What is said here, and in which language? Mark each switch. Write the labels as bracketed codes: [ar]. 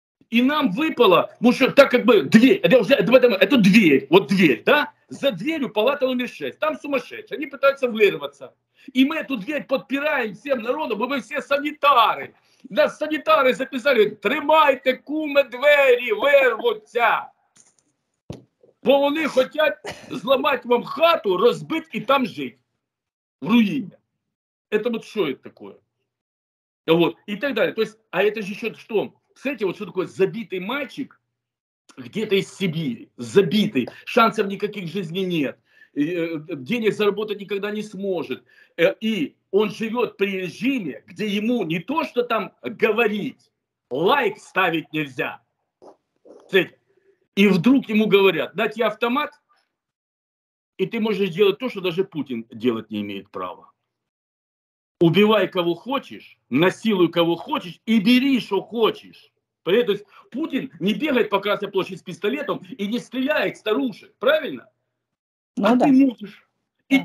[ru] И нам выпало, потому что так как бы дверь, это дверь, вот дверь, да? За дверью палата номер 6, там сумасшедшие, они пытаются вырваться. И мы эту дверь подпираем всем народом, мы все санитары. Нас санитары записали, [uk] тримайте, куме, [ru] двери, вырвутся. [uk] Бо вони хотять зламати вам хату, розбити і там жити. В руїні. Це от що це таке? От. І так далі. Тобто, а це ж ще що? Знаєте, от що таке забитий мальчик, [ru] где-то [uk] із Сибири, забитий, шансів ніяких в житті немає, денег заробити ніколи не зможе. І він живе при режимі, де йому не то, що там говорити, лайк ставити не можна. Знаєте? [ru] И вдруг ему говорят, дай тебе автомат, и ты можешь делать то, что даже Путин делать не имеет права. Убивай кого хочешь, насилуй кого хочешь и бери, что хочешь. Поэтому Путин не бегает по Красной площади с пистолетом и не стреляет старушек, правильно? Ну, а да. Ты можешь. И да.